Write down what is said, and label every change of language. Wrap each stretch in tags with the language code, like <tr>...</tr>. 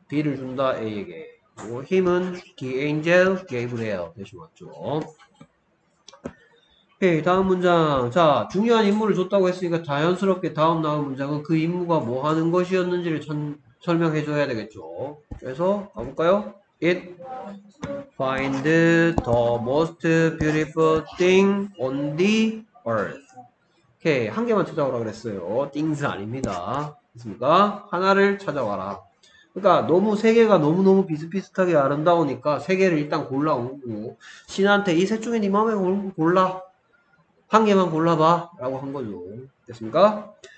<ko>b를 준다 a에게. 힘은 the angel Gabriel 대신 왔죠. 오케이, 다음 문장. 자, 중요한 임무를 줬다고 했으니까 자연스럽게 다음 나온 문장은 그 임무가 뭐 하는 것이었는지를 설명해 줘야 되겠죠. 그래서 가볼까요?</ko> <en>It find the most beautiful thing on the earth.</en> <ko>오케이, 한 개만 찾아오라 그랬어요. things 아닙니다. 그렇습니까? 하나를 찾아와라. 그러니까 너무 세계가 너무너무 비슷비슷하게 아름다우니까 세계를 일단 골라오고 신한테 이셋 중에 네 마음에 골라 한 개만 골라봐 라고 한 거죠. 됐습니까?</ko>